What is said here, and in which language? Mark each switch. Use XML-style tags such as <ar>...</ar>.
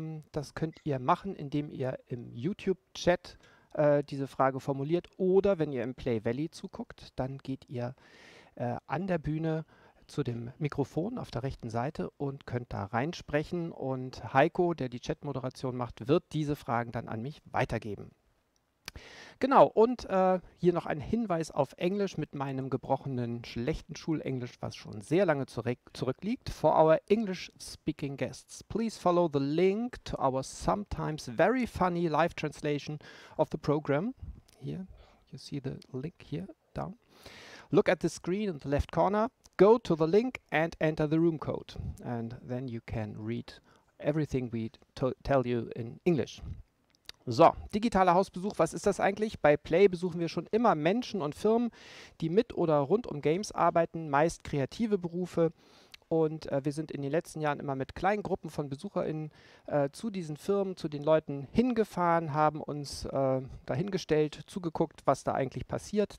<de>Das könnt ihr machen, indem ihr im YouTube-Chat diese Frage formuliert oder wenn ihr im Play Valley zuguckt, dann geht ihr an der Bühne zu dem Mikrofon auf der rechten Seite und könnt da reinsprechen. Und Heiko, der die Chatmoderation macht, wird diese Fragen dann an mich weitergeben. Genau, und hier noch ein Hinweis auf Englisch mit meinem gebrochenen, schlechten Schulenglisch, was schon sehr lange zurückliegt.</de> <en>For our English-speaking guests, please follow the link to our sometimes very funny live translation of the program. Here, you see the link here down. Look at the screen in the left corner. Go to the link and enter the room code. And then you can read everything we tell you in English.</en> <de>So, digitaler Hausbesuch, was ist das eigentlich? Bei Play besuchen wir schon immer Menschen und Firmen, die mit oder rund um Games arbeiten, meist kreative Berufe. Und wir sind in den letzten Jahren immer mit kleinen Gruppen von BesucherInnen zu diesen Firmen, zu den Leuten hingefahren, haben uns dahingestellt, zugeguckt, was da eigentlich passiert.</de>